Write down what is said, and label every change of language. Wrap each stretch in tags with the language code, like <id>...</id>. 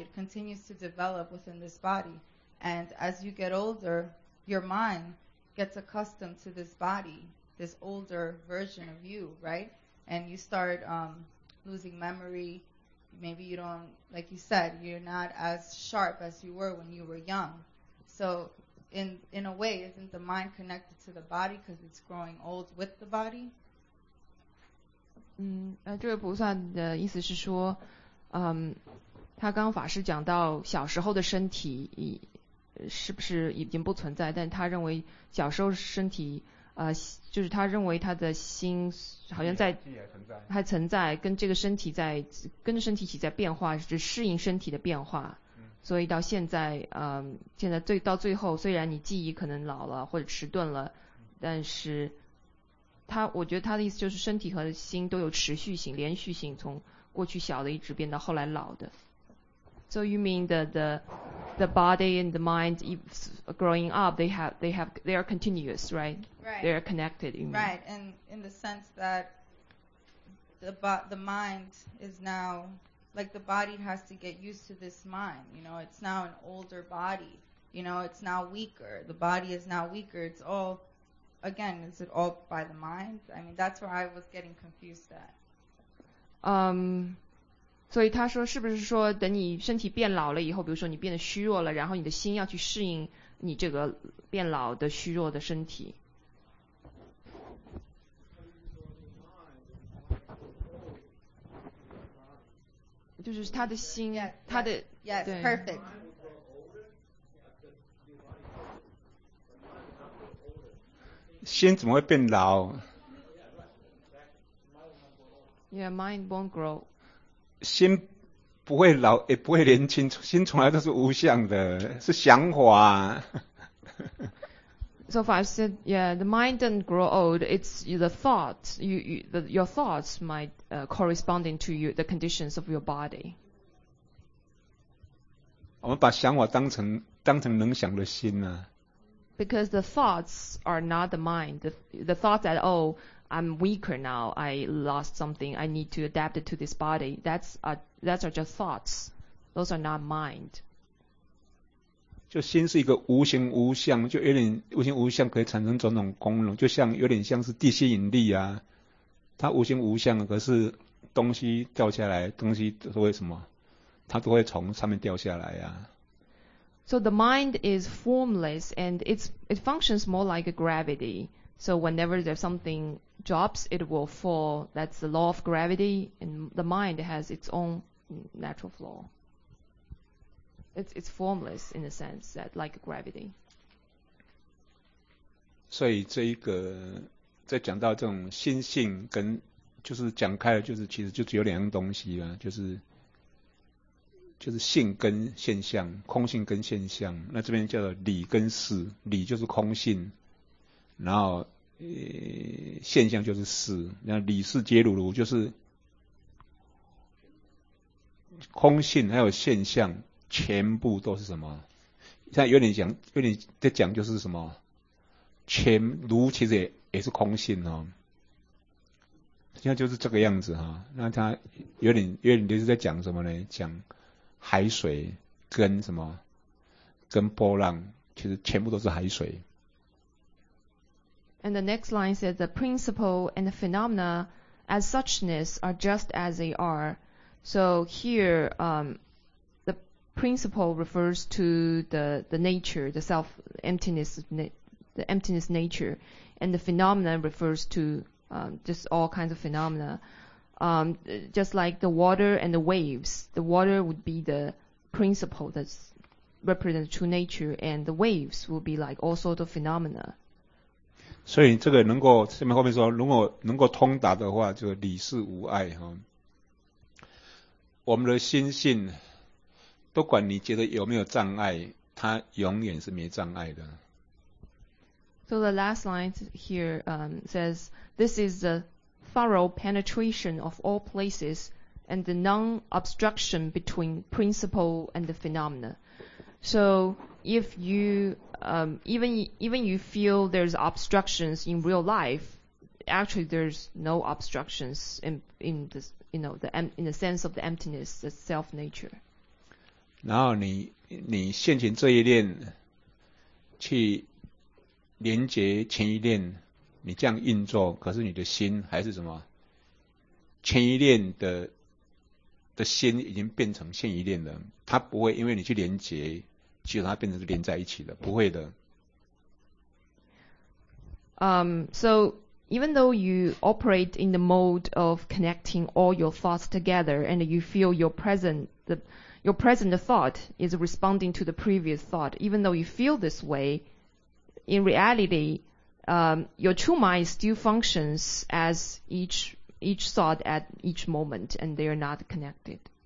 <en>It continues to develop within this body. And as you get older, your mind gets accustomed to this body, this older version of you, right? And you start losing memory. Maybe you don't, like you said, you're not as sharp as you were when you were young. So in a way, isn't the mind connected to the body because it's growing old with the body?</en> <zh>这位菩萨的意思是说，他刚法师讲到小时候的身体是不是已经不存在，但他认为小时候身体就是他认为他的心好像在还存在，跟着身体一起在变化，是适应身体的变化，所以到现在现在到最后，虽然你记忆可能老了或者迟钝了，但是我觉得他的意思就是身体和心都有持续性、连续性，从过去小的一直变到后来老的。</zh> <en>So you mean the body and the mind growing up, they are continuous, right? Right. They are connected. You mean? Right. And in the sense that the mind is now like the body has to get used to this mind. You know, it's now an older body. You know, it's now weaker. The body is now weaker. It's all. Again, is it all by the mind? I mean, that's where I was getting confused at.</en> <zh>所以他说，是不是说等你身体变老了以后，比如说你变得虚弱了，然后你的心要去适应你这个变老的虚弱的身体？就是他的心，</zh> <en>yes,</en> <zh>他的</zh> <en>yes,</en> <zh>对</zh> <en>yes, perfect.</en> <zh>心怎么会变老？</zh> <en>Yeah, mind won't grow.</en> <zh>心不会老，也不会年轻，心从来都是无相的，是想法。</zh> <en>So far I said, yeah, the mind doesn't grow old. It's the thought. Your thoughts might corresponding to you, the conditions of your body.</en> <zh>我们把想法当成能想的心啊。</zh> <en>Because the thoughts are not the mind. The thought that, oh, I'm weaker now, I lost something, I need to adapt it to this body, that's are just thoughts. Those are not mind.</en> <zh>就心是一个无形无相，就有点无形无相可以产生种种功能，就像有点像是地心引力啊，它无形无相，可是东西掉下来，东西都会什么，它都会从上面掉下来啊。</zh> <en>So the mind is formless and it functions more like a gravity. So whenever there's something drops, it will fall. That's the law of gravity, and the mind has its own natural flaw. It's formless in a sense that like gravity.</en> <zh>所以这一个在讲到这种心性跟就是讲开了就是其实就只有两样东西啊，就是性跟现象，空性跟现象。那这边叫做理跟事，理就是空性，然后现象就是事。那理事皆如如，就是空性还有现象，全部都是什么？现在有点在讲就是什么？全如其实也是空性哦。现在就是这个样子哈、哦。那他有点就是在讲什么呢？讲海水跟什么跟波浪其实全部都是海水。</zh> <en>And the next line says the principle and the phenomena as suchness are just as they are. So here, the principle refers to the nature, the self emptiness, the emptiness nature, and the phenomena refers to just all kinds of phenomena. Just like the water and the waves, the water would be the principle that represents true nature, and the waves would be like all sorts of phenomena.</en> <zh>所以这个能够下面后面说，如果能够通达的话，就理事无碍哈。我们的心性，不管你觉得有没有障碍，它永远是没障碍的。</zh> <en>So the last line here says, "This is the thorough penetration of all places and the non-obstruction between principle and the phenomena." So if you even you feel there's obstructions in real life, actually there's no obstructions in this. You know, in the sense of the emptiness, the self nature.</en> <zh>然后你现前这一念去连接前一念，你这样运作，可是你的心还是什么？前一念的心已经变成现一念了，它不会因为你去连接，其实它变成是连在一起的，不会的。</zh> <en>So. Even though you operate in the mode of connecting all your thoughts together and you feel your present thought is responding to the previous thought, even though you feel this way, in reality, your true mind still functions as each thought at each moment and they are not connected.</en>